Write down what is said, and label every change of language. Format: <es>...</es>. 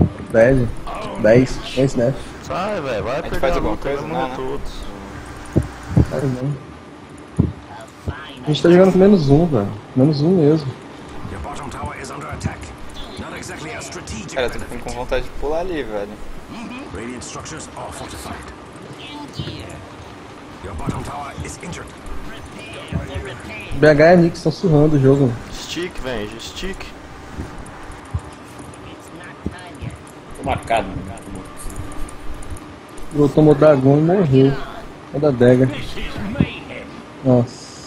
<pt>10, 10, 10 né? Sai, velho, vai pegar faz alguma coisa, não, né? Todos. Cara, não. A gente tá jogando com menos 1, velho. Menos 1 mesmo. Cara, tô com vontade de pular ali, velho.</pt> <en>Radiant structures are fortified. Your bottom tower is injured.</en> <pt>BH e Nick estão surrando o jogo. Stick, velho, stick. marcado. Eu tomo o dragão e morreu. É da Dega. Nossa.</pt>